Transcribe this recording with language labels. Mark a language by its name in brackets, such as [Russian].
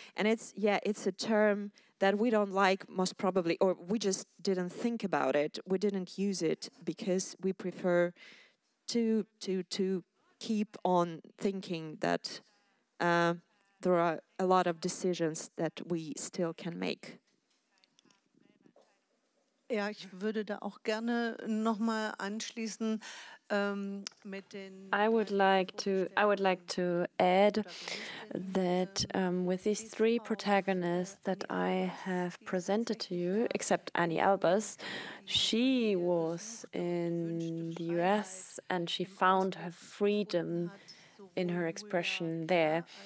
[English] And it's a term that we don't like, most probably, or we just didn't think about it. We didn't use it because we prefer to keep on thinking that there are a lot of decisions that we still can make. [German] Ja, ich würde da auch gerne nochmal anschließen. [English] I would like to add that with these three protagonists that I have presented to you, except Anni Albers, she was in the US and she found her freedom in her expression there.